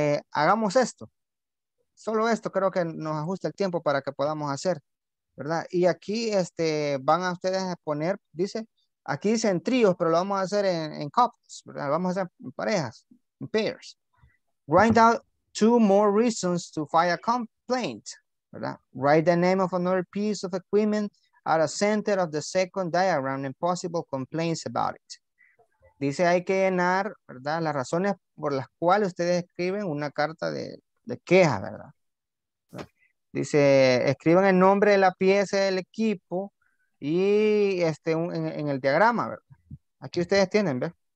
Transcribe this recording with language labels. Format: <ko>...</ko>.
<es>Hagamos esto, solo esto creo que nos ajusta el tiempo para que podamos hacer, ¿verdad? Y aquí van a ustedes a poner, dice, aquí dice en tríos, pero lo vamos a hacer en couples, ¿verdad? Lo vamos a hacer en parejas, en pairs.</es> <en>Write out 2 more reasons to file a complaint, ¿verdad? Write the name of another piece of equipment at the center of the second diagram and possible complaints about it.</en> <es>Dice, hay que llenar, ¿verdad?, las razones por las cuales ustedes escriben una carta de queja, ¿verdad? Dice, escriban el nombre de la pieza del equipo y en el diagrama, ¿verdad? Aquí ustedes tienen, ¿ver?</es>